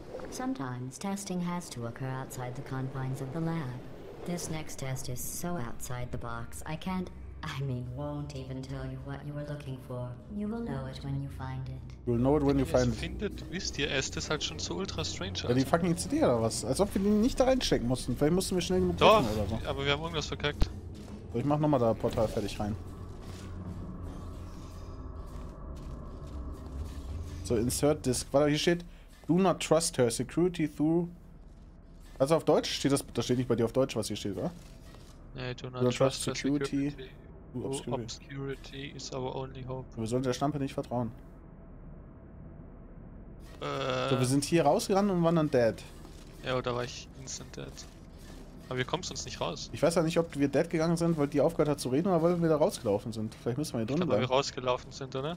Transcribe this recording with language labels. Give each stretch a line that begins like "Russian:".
English: Sometimes testing has to occur outside the confines of the lab. This next test is so outside the box, I can't, I mean, won't even tell you what you were looking for. You will know it when you find it. You'll know it when you find it.
German: Wenn ihr es findet, wisst ihr, es ist halt schon so ultra strange. Ja, die fucking CD oder was? Als ob wir die nicht da reinstecken mussten. Vielleicht mussten wir schnell genug drücken oder so. Doch, aber wir haben irgendwas verkackt. So, ich mach nochmal da Portal fertig rein.
English: So, insert disk.
German: Warte, hier steht...
English: Do not trust her. Security through...
German: Also auf Deutsch steht das... Das steht nicht bei dir auf Deutsch, was hier steht, oder?
English: Nee, do not trust her security. Obscurity is our only hope.
German: Wir sollen der Schlampe nicht vertrauen. So, wir sind hier rausgerannt und waren dann dead. Ja, oder war ich instant dead? Aber wir kommen sonst nicht raus. Ich weiß ja nicht, ob wir dead gegangen sind, weil die aufgehört hat zu reden, oder weil wir da rausgelaufen sind. Vielleicht müssen wir hier drinnen bleiben. Weil wir rausgelaufen sind, oder?